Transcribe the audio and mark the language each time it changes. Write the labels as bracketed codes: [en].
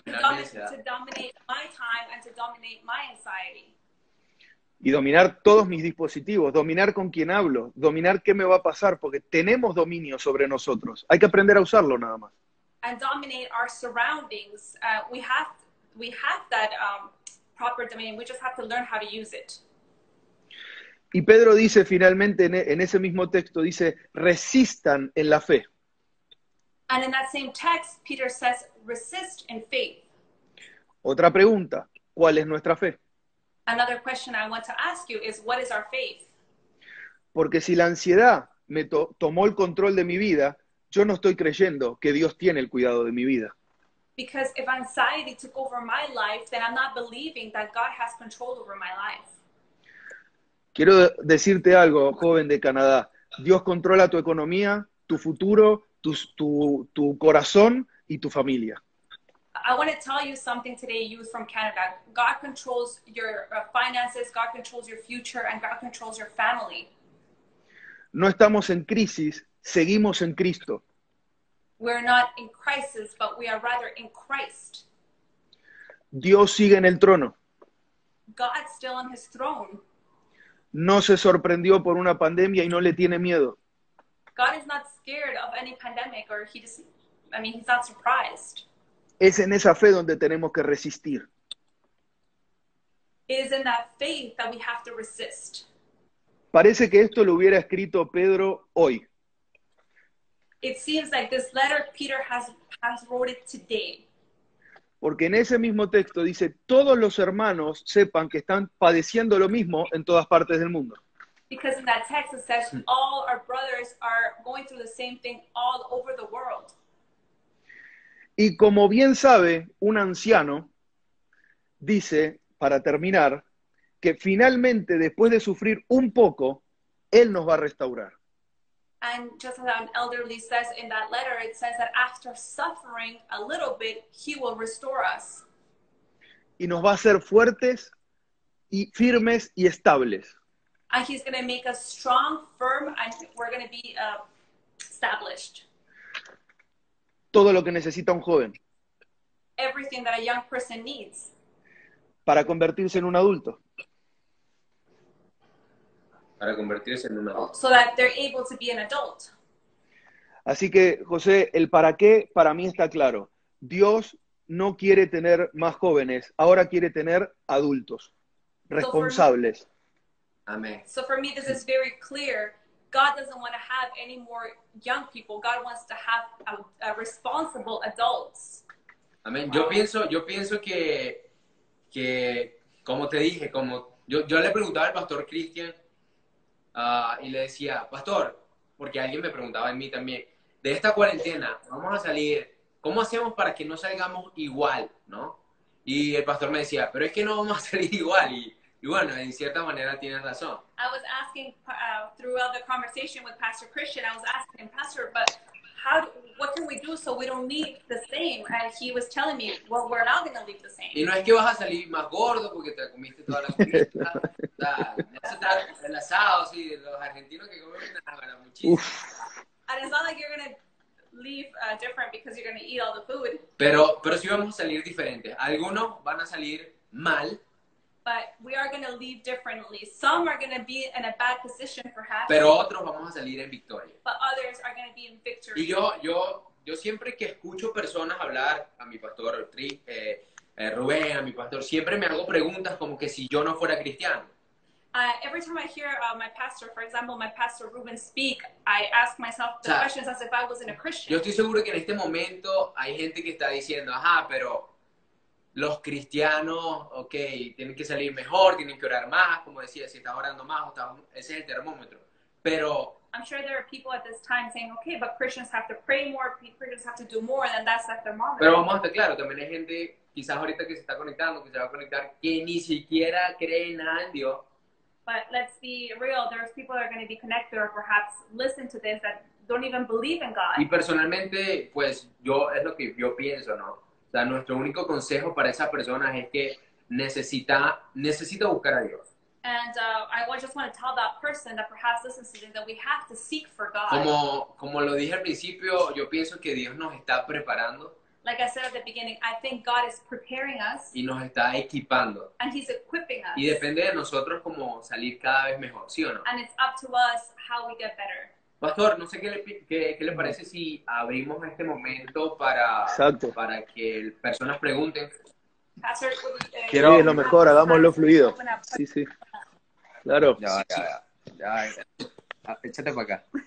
[en] to dominate my time and to dominate my anxiety. [es] Y dominar todos mis dispositivos, dominar con quién hablo, dominar qué me va a pasar, porque tenemos dominio sobre nosotros. Hay que aprender a usarlo nada más. [en] And dominate our surroundings. We have that proper dominion. We just have to learn how to use it. [es] Y Pedro dice finalmente en ese mismo texto, dice, resistan en la fe. [en] And in that same text, Peter says, resist in faith. [es] Otra pregunta, ¿cuál es nuestra fe? [en] Another question I want to ask you is, what is our faith? [es] Porque si la ansiedad me tomó el control de mi vida, yo no estoy creyendo que Dios tiene el cuidado de mi vida. [en] Because if anxiety took over my life, then I'm not believing that God has control over my life. [es] Quiero decirte algo, joven de Canadá. Dios controla tu economía, tu futuro, tu corazón y tu familia. [en] I want to tell you something today, youth from Canada. God controls your finances, God controls your future, and God controls your family. [es] No estamos en crisis, seguimos en Cristo. [en] We're not in crisis, but we are rather in Christ. [es] Dios sigue en el trono. [en] God's still on his throne. [es] No se sorprendió por una pandemia y no le tiene miedo. [en] God is not scared of any pandemic, or he's not surprised. [es] Es en esa fe donde tenemos que resistir. [en] It is in that faith that we have to resist. [es] Parece que esto lo hubiera escrito Pedro hoy. [en] It seems like this letter Peter has wrote it today. [es] Porque en ese mismo texto dice, todos los hermanos sepan que están padeciendo lo mismo en todas partes del mundo. [en] Because in that text it says, all our brothers are going through the same thing all over the world. [es] Y como bien sabe, un anciano dice, para terminar, que finalmente, después de sufrir un poco, él nos va a restaurar. [en] And just as an elderly says in that letter, it says that after suffering a little bit, he will restore us. [es] Y nos va a hacer fuertes y firmes y estables. [en] And he's going to make us strong, firm, and we're going to be established. [es] Todo lo que necesita un joven. [en] Everything that a young person needs. [es] Para convertirse en un adulto. Para convertirse en un adulto. [en] So that they're able to be an adult. [es] Así que, José, el para qué para mí está claro. Dios no quiere tener más jóvenes. Ahora quiere tener adultos. Responsables. Amén. [en] So for me, this is very clear. God doesn't want to have any more young people. God wants to have a responsible adults. [es] Amén. Yo pienso que como te dije, como yo le preguntaba al pastor Christian y le decía, pastor, porque alguien me preguntaba en mí también, de esta cuarentena, vamos a salir, ¿cómo hacemos para que no salgamos igual, no? Y el pastor me decía, pero es que no vamos a salir igual. Y bueno, en cierta manera tienes razón. [en] I was asking throughout the conversation with Pastor Christian, I was asking him, Pastor, but what can we do so we don't leave the same? And he was telling me, well, we're not going to leave the same. [es] Y no es que vas a salir más gordo porque te comiste toda la comida. O sea, el asado, sí, los argentinos que comen ahora muchísimo. [en] And it's not like you're going to leave different because you're going to eat all the food. [es] Pero sí vamos a salir diferente. Algunos van a salir mal. [en] But we are going to leave differently. Some are going to be in a bad position, perhaps. [es] Pero otros vamos a salir en victoria. [en] But others are going to be in victory. [es] Y yo siempre que escucho personas hablar a mi pastor, Rubén, a mi pastor, siempre me hago preguntas como que si yo no fuera cristiano. [en] Every time I hear my pastor, for example, my pastor Rubén speak, I ask myself the questions as if I wasn't a Christian. [es] Yo estoy seguro que en este momento hay gente que está diciendo, ajá, pero... Los cristianos, okay, tienen que salir mejor, tienen que orar más, como decía, si estás orando más, ese es el termómetro. Pero [en] I'm sure there are people at this time saying, okay, but Christians have to pray more, Christians have to do more, and that's the thermometer. [es] Pero vamos a estar claro, también hay gente, quizás ahorita que se está conectando, que se va a conectar, que ni siquiera cree en nada en Dios. [en] But let's be real, there's people that are going to be connected or perhaps listen to this that don't even believe in God. [es] Y personalmente, pues yo, es lo que yo pienso, ¿no? O sea, nuestro único consejo para esas personas es que necesita buscar a Dios. [en] And I just want to tell that person that perhaps listens to this that we have to seek for God. [es] Como lo dije al principio, yo pienso que Dios nos está preparando. [en] Like I said at the beginning, I think God is preparing us. [es] Y nos está equipando. [en] And he's equipping us. [es] Y depende de nosotros como salir cada vez mejor, ¿sí o no? [en] And it's up to us how we get better. [es] Pastor, no sé qué le parece si abrimos este momento para Exacto. para que personas pregunten. Pastor, quiero sí, lo mejor, hagámoslo fluido. Sí, sí. Claro. Ya. Échate para acá.